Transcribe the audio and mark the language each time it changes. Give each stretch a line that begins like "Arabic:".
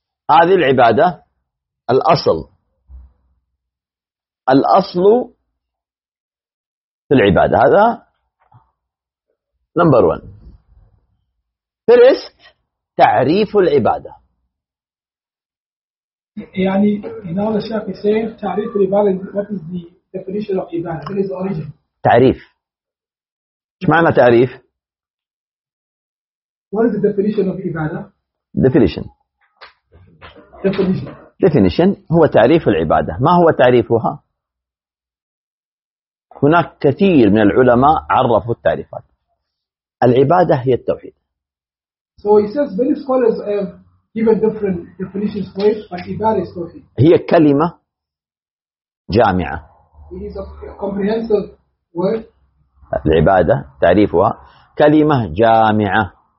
Arabic: هذه العبادة الأصل الأصل في العبادة هذا
English: number one first
Arabic: تعريف العبادة يعني هنا الشيخ يقول تعريف العبادة
English: what is the definition of عبادة what is the origin
Arabic: تعريف ما معنى تعريف
English: what is the definition of عبادة definition definition
Arabic: هو تعريف العبادة ما هو تعريفها هناك كثير من العلماء عرفوا التعريفات العبادة هي التوحيد
English: so he says many scholars have given different definitions for it but عبادة is توحيد
Arabic: هي كلمة جامعة
English: it is a comprehensive word
Arabic: العبادة تعريفها كلمة جامعة